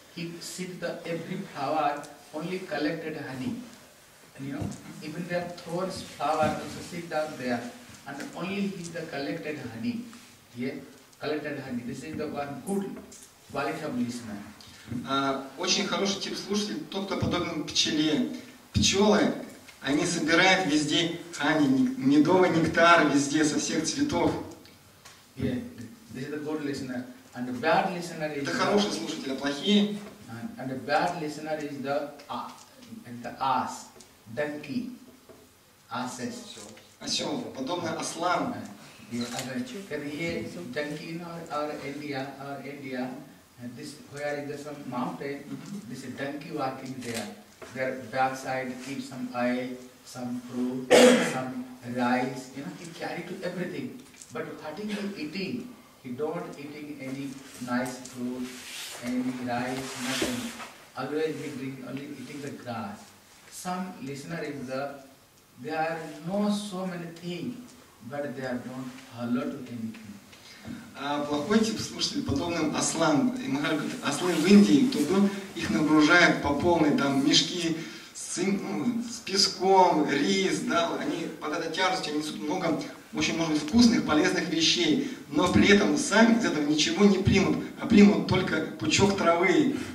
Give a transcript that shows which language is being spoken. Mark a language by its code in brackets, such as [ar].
[en] He sits the every flower, only collected honey. And you know, even the thorns flower also sit down there. And only he is the collected honey. Yeah, collected honey. This is the one good quality of listener. [ru] Очень хороший тип слушателей, тот, кто подобен пчеле. Пчелы. Они собирают везде хани, медовый нектар везде, со всех цветов. [en] Yeah, this is a good listener. And a bad listener is... [ru] Это хороший слушатель, а плохие? [en] And a bad listener is the ass, donkey, asses. [ru] Осел, подобный ослам. [en] Yeah, can hear donkey in our India, and this, where is there some mountain, this is donkey walking there. Their backside keep some oil, some fruit, some rice, you know, he carry to everything. But what is he eating? He don't eating any nice fruit, any rice, nothing. Otherwise he drink only eating the grass. Some listener is the, they are know so many things, but they are don't follow to anything. [ru] Плохой тип слушателей, подобным ослам. И Махар говорит, ослы в Индии, кто-то их нагружает по полной, там мешки с песком, рис, да, они под этой тяжестью несут много, очень, может быть, вкусных, полезных вещей, но при этом сами из этого ничего не примут, а примут только пучок травы.